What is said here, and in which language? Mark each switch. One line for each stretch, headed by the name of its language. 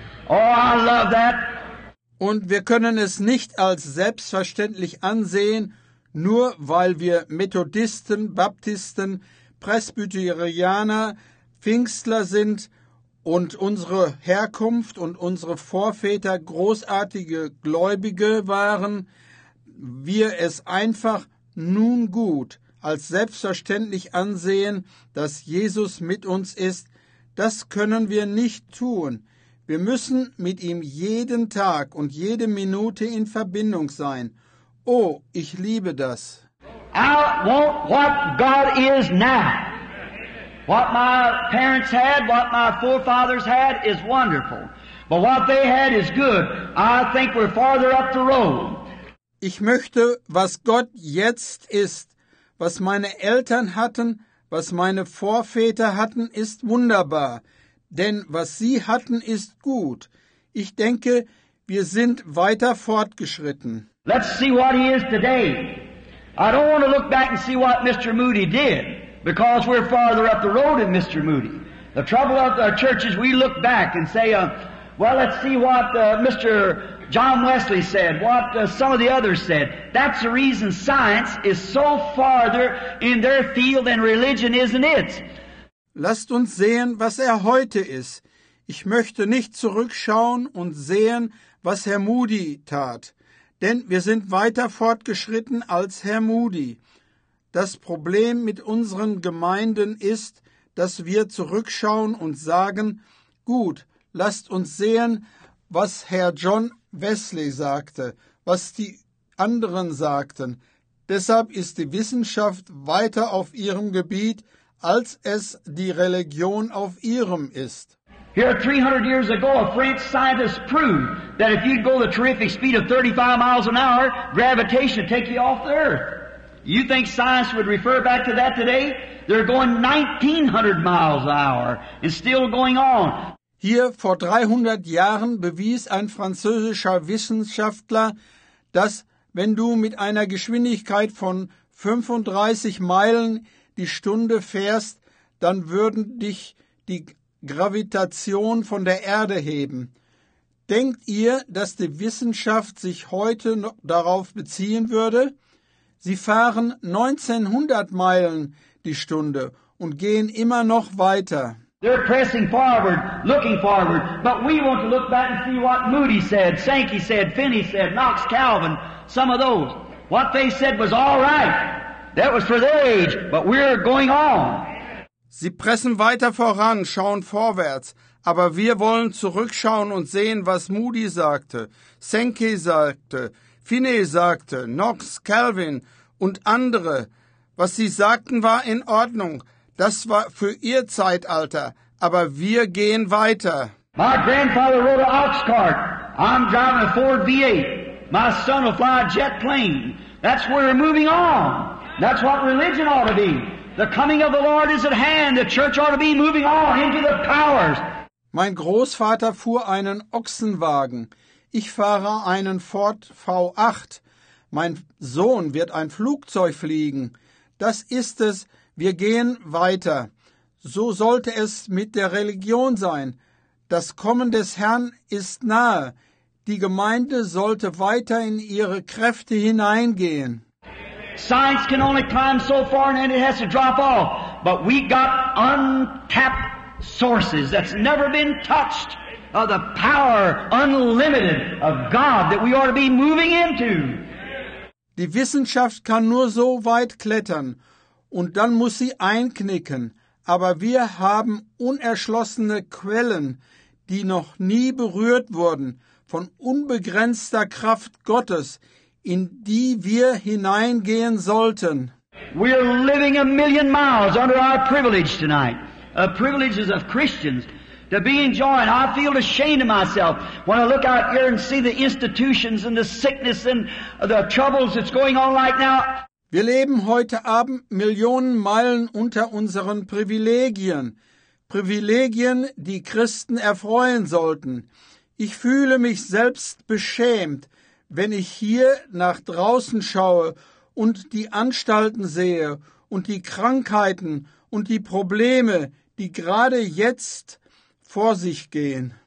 English: Oh, I love that.
German: Und wir können es nicht als selbstverständlich ansehen, nur weil wir Methodisten, Baptisten, Presbyterianer, Pfingstler sind und unsere Herkunft und unsere Vorväter großartige Gläubige waren, wir es einfach nun gut als selbstverständlich ansehen, dass Jesus mit uns ist. Das können wir nicht tun. Wir müssen mit ihm jeden Tag und jede Minute in Verbindung sein. Oh, ich liebe das.
English: I want what God is now. What my parents had, what my forefathers had is wonderful. But what they had is good. I think we're farther up the road.
German: Ich möchte, was Gott jetzt ist. Was meine Eltern hatten, was meine Vorväter hatten, ist wunderbar. Denn was sie hatten, ist gut. Ich denke, wir sind weiter fortgeschritten.
English: Let's see what he is today. I don't want to look back and see what Mr. Moody did, because we're farther up the road than Mr. Moody. The trouble of our church is we look back and say, well, let's see what Mr. John Wesley said, what some of the others said. That's the reason science is so farther in their field than religion, isn't it?
German: Lasst uns sehen, was heute ist. Ich möchte nicht zurückschauen und sehen, was Herr Moody tat. Denn wir sind weiter fortgeschritten als Herr Moody. Das Problem mit unseren Gemeinden ist, dass wir zurückschauen und sagen, gut, lasst uns sehen, was Herr John Wesley sagte, was die anderen sagten. Deshalb ist die Wissenschaft weiter auf ihrem Gebiet, als es die Religion auf ihrem ist.
English: Here, 300 years ago, a French scientist proved that if you'd go the terrific speed of 35 miles an hour, gravitation would take you off the earth. You think science would refer back to that today? They're going 1900 miles an hour and still going on.
German: Hier vor 300 Jahren bewies ein französischer Wissenschaftler, dass wenn du mit einer Geschwindigkeit von 35 Meilen die Stunde fährst, dann würden dich die Gravitation von der Erde heben. Denkt ihr, dass die Wissenschaft sich heute noch darauf beziehen würde? Sie fahren 1900 Meilen die Stunde und gehen immer noch weiter.
English: They're pressing forward, looking forward, but we want to look back and see what Moody said, Sankey said, Finney said, Knox, Calvin, some of those. What they said was all right. That was for their age, but we're going on.
German: Sie pressen weiter voran, schauen vorwärts, aber wir wollen zurückschauen und sehen, was Moody sagte, Sankey sagte, Finney sagte, Knox, Calvin und andere. Was sie sagten, war in Ordnung. Das war für ihr Zeitalter, aber wir gehen weiter.
English: My grandfather rode an ox cart. I'm driving a Ford V8. My son will fly a jet plane. That's where we're moving on. That's what religion ought to be. The coming of the Lord is at hand. The church ought to be moving on into the powers.
German: Mein Großvater fuhr einen Ochsenwagen. Ich fahre einen Ford V8. Mein Sohn wird ein Flugzeug fliegen. Das ist es. Wir gehen weiter. So sollte es mit der Religion sein. Das Kommen des Herrn ist nahe. Die Gemeinde sollte weiter in ihre Kräfte hineingehen.
English: Science can only climb so far and it has to drop off. But we got untapped sources that's never been touched of the power unlimited of God that we ought to be moving into.
German: Die Wissenschaft kann nur so weit klettern und dann muss sie einknicken. Aber wir haben unerschlossene Quellen, die noch nie berührt wurden, von unbegrenzter Kraft Gottes, in die wir hineingehen sollten.
English: We're living a million miles under our privilege tonight, a privileges of Christians to be enjoying. I feel ashamed of myself when I look out here and see the institutions and the sickness and the troubles that's going on right now.
German: Wir leben heute Abend Millionen Meilen unter unseren Privilegien, Privilegien, die Christen erfreuen sollten. Ich fühle mich selbst beschämt, wenn ich hier nach draußen schaue und die Anstalten sehe und die Krankheiten und die Probleme, die gerade jetzt vor sich gehen.